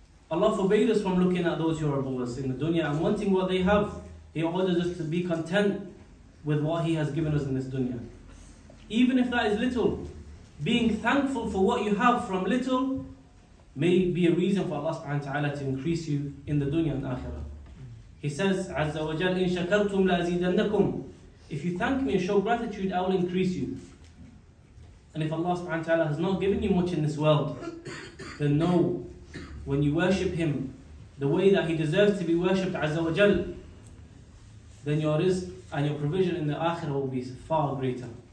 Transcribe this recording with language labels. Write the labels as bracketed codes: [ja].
[en] Allah forbade us from looking at those who are above us in the dunya and wanting what they have. He ordered us to be content with what He has given us in this dunya. Even if that is little, being thankful for what you have from little may be a reason for Allah subhanahu wa ta'ala to increase you in the dunya and akhirah. He says, [ar] عز وجل إن شكرتم لأزيدنكم. [en] If you thank me and show gratitude, I will increase you. And if Allah subhanahu wa ta'ala has not given you much in this world, then know, when you worship Him the way that He deserves to be worshipped, عز وجل, then your rizq and your provision in the akhirah will be far greater.